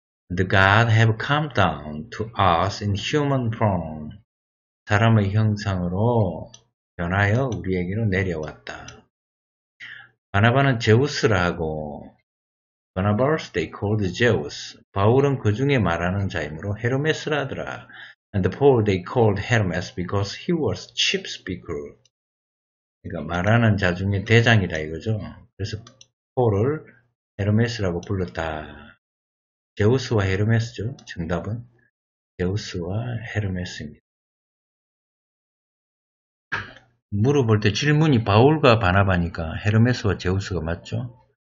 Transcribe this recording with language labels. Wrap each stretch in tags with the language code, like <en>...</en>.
<en>The God have come down to us in human form,</en> <ko>사람의 형상으로 변하여 우리에게로 내려왔다. 바나바는 제우스라고,</ko> <en>Barnabas they called Zeus.</en> <ko>바울은 그 중에 말하는 자이므로 헤르메스라 하더라.</ko> <en>And Paul they called Hermes because he was chief speaker.</en> <ko>그러니까 말하는 자 중에 대장이라 이거죠. 그래서 폴을 헤르메스라고 불렀다. 제우스와 헤르메스죠. 정답은 제우스와 헤르메스입니다. 물어볼 때 질문이 바울과 바나바니까 헤르메스와 제우스가 맞죠.</ko>